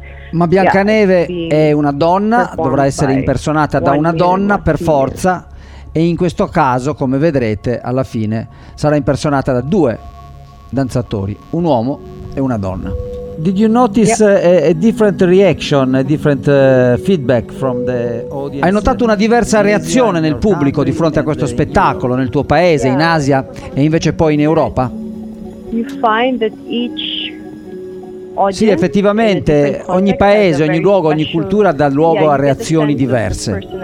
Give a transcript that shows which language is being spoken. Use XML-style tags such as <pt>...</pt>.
<it>Ma Biancaneve è una donna, dovrà essere impersonata da una donna per forza, e in questo caso, come vedrete, alla fine sarà impersonata da due danzatori, un uomo e una donna.</it> <en>Did you notice a different reaction, a different feedback from the audience?</en> <it>Hai notato una diversa reazione nel pubblico di fronte a questo spettacolo nel tuo paese, in Asia e invece poi in Europa?</it> <en>You find that each...</en> <it>Sì, effettivamente ogni paese, ogni luogo, ogni cultura dà luogo a reazioni diverse.</it>